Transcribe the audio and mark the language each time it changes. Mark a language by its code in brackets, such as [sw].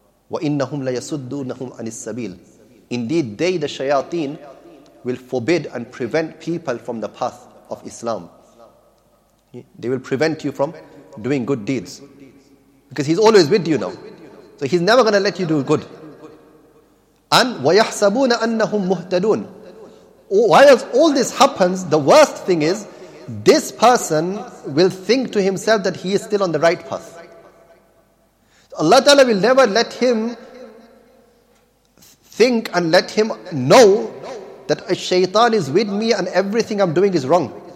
[ar] وَإِنَّهُمْ لَيَسُدُّونَهُمْ عَنِ السَّبِيلِ. [en] Indeed, they, the shayateen, will forbid and prevent people from the path of Islam. They will prevent you from doing good deeds. Because he's always with you now. So he's never going to let you do good. [ar] And وَيَحْسَبُونَ أَنَّهُمْ مُهْتَدُونَ. [en] Whilst all this happens, the worst thing is, this person will think to himself that he is still on the right path. Allah Ta'ala will never let him think and let him know that a shaitan is with me and everything I'm doing is wrong.